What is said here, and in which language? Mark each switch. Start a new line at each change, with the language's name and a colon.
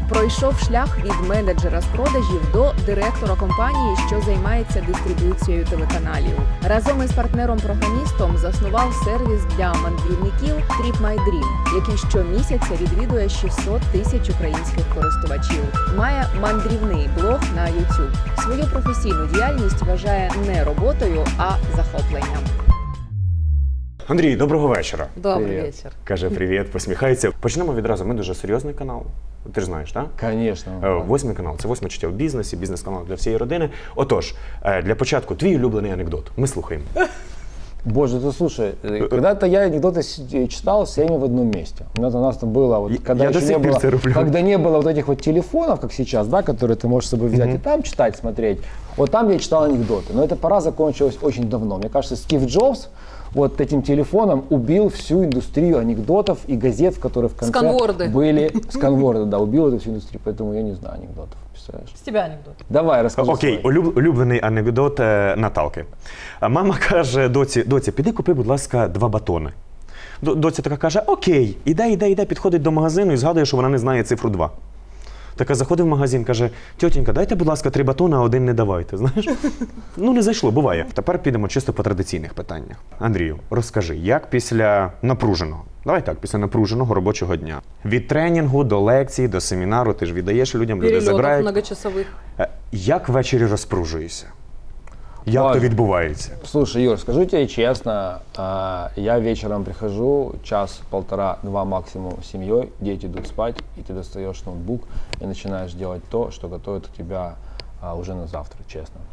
Ukrainian: Пройшов шлях від менеджера з продажів до директора компанії, що займається дистриб'юцією телеканалів. Разом із партнером-програмістом заснував сервіс для мандрівників TripMyDream, який щомісяця відвідує 600 тисяч українських користувачів. Має мандрівний блог на YouTube. Свою професійну діяльність вважає не роботою, а захопленням. Андрій, доброго вечора. Добрий вечір. Каже привіт, посміхається. Почнемо відразу. Ми дуже серйозний канал. Ти ж знаєш, так? Звісно. Восьмий канал. Це восьме чуття в бізнесі, бізнес-канал для всієї родини. Отож, для початку, твій улюблений анекдот. Ми слухаємо. Боже, ти слушай, коли-то я анекдоти читав всіми в одному місці. У нас там було, коли не було от цих телефонів, як зараз, да, які ти можеш собі взяти і там читати, смотреть. От там я читав анекдоти.
Russian: Но эта пора закончилась очень давно. Мне кажется, Стив Джобс вот этим телефоном убил всю индустрию анекдотов и газет, которые в конце сканворды. Были. Сканворды, да, убил эту всю индустрию. Поэтому я не знаю анекдотов. Представляешь? С тебя анекдот. Давай, расскажи.
Ukrainian: Окей, улюблений анекдот Наталки. Мама каже доці, піди купи, будь ласка, два батони. Доця така каже, окей, іде, підходить до магазину і згадує, що вона не знає цифру 2. Така заходить в магазин, каже, тьотенька, дайте, будь ласка, 3 батони, а один не давайте, знаєш? Ну, не зайшло, буває. Тепер підемо чисто по традиційних питаннях. Андрію, розкажи, як після напруженого, давай так, після напруженого робочого дня, від тренінгу до лекції, до семінару, ти ж віддаєш людям, люди забирають. Перельотів многочасових. Як ввечері розпружуєшся? Як то відбувається?
Russian: Слушай, Юр,
Ukrainian: скажу тебе чесно,
Russian: я вечером прихожу, час, полтора, два максимум с семьей, дети идут спать, и ты достаешь ноутбук и начинаешь делать то, что готовит у тебя уже на завтра, честно.